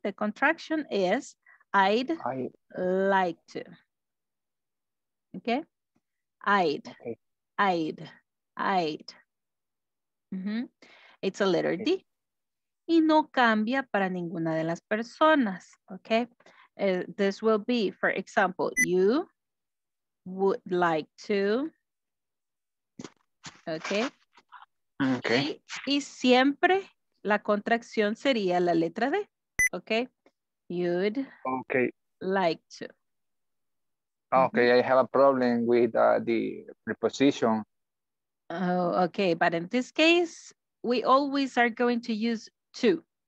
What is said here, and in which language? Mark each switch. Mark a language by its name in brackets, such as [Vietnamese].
[English] The contraction is I'd like to. Okay? I'd. Okay. I'd. I'd. Mm-hmm. It's a letter D. [Spanish] Y no cambia para ninguna de las personas. [English] Okay? This will be, for example, you would like to. Okay? Okay. [Spanish] Y siempre la contracción sería la letra D. [English] Okay? You'd like to. Okay, mm-hmm. I have a problem with the preposition. Oh, okay, but in this case, we always are going to use to.